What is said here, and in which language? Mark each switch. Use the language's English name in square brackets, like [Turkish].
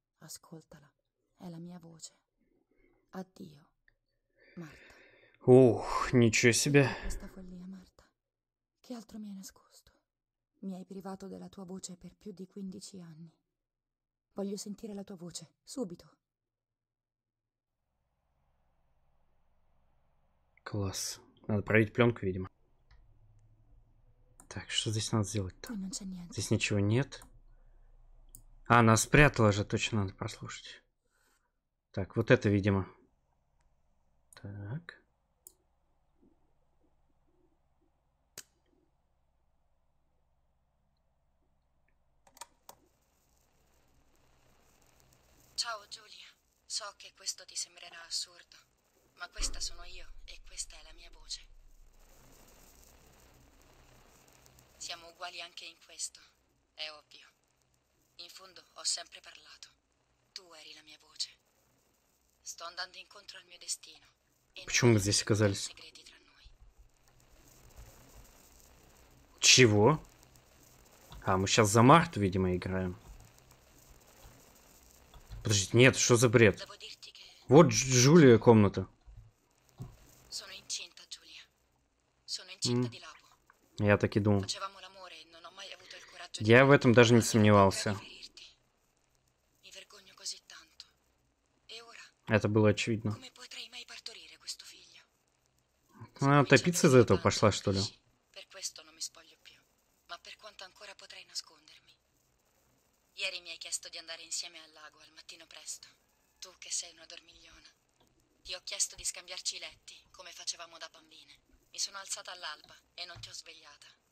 [Italian] Ascoltala. È la mia voce. Addio. [Russian] Ух, ничего себе. [Italian] Questa follia, Marta. Che altro mi hai nascosto? Mi hai privato della tua voce per più di 15 anni. Voglio sentire la tua voce, subito. [Russian] Класс. Надо проверить пленку, видимо. Так, что здесь надо сделать-то? Здесь ничего нет. А, она спрятала же, точно надо прослушать. Так, вот это, видимо. Так. [Italian] Ciao Giulia. So che questo ti sembrerà assurdo, ma questa sono io e questa è la mia voce. Siamo uguali anche in questo, è ovvio. In fondo ho sempre parlato. Tu eri la mia voce. Sto andando incontro al mio destino. [Russian] Почему мы здесь оказались? Чего? А, мы сейчас за Марту, видимо, играем. Подождите, нет, что за бред? Вот Джулия комната. [Italian] Sono in città di Lapo. [Russian] Я так и думал. [Italian] Facevamo l'amore, non ho mai avuto il coraggio di. [Russian] Я в этом даже не сомневался. [Italian] Mi vergogno così tanto. E ora? [Russian] Это было очевидно. [Italian] Come potrei mai partorire questo figlio? [Russian] Ну, а топиться из-за этого пошла, что ли? [Italian] Per questo non mi spoglio più. Ma per quanto ancora potrei nascondermi. Ieri mi hai chiesto di andare insieme al lago al mattino presto. Tu che sei una dormigliona. Ti ho chiesto di scambiarci i letti, come facevamo da bambine. Mi sono alzata all'alba e non ti ho svegliata.